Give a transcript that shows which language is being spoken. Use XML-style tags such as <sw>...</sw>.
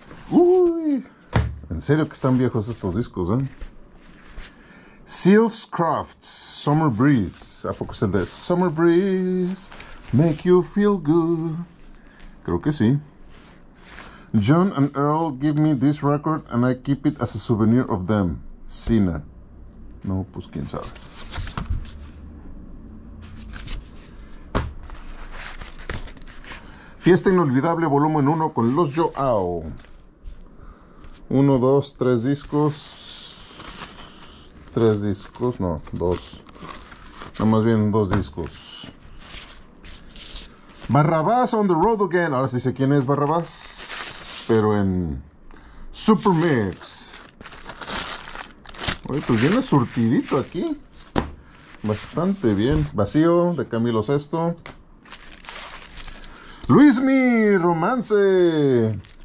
<es>Uy, en serio que están viejos estos discos, ¿eh? Seals Crofts, Summer Breeze. ¿A poco es el de Summer Breeze?</es> <en>Make you feel good.</en> <es>Creo que sí.</es> <en>John and Earl give me this record and I keep it as a souvenir of them.</en> <es>Cena. No, pues quién sabe. Fiesta Inolvidable, volumen 1 con Los Joao. 1, 2, 3 discos. 3 discos, no, 2. No, más bien 2 discos. Barrabás on the road again. Ahora sí sé quién es Barrabás. Pero en Supermix. Oye, pues viene surtidito aquí. Bastante bien. Vacío de Camilo VI. Luismi, romance.</es>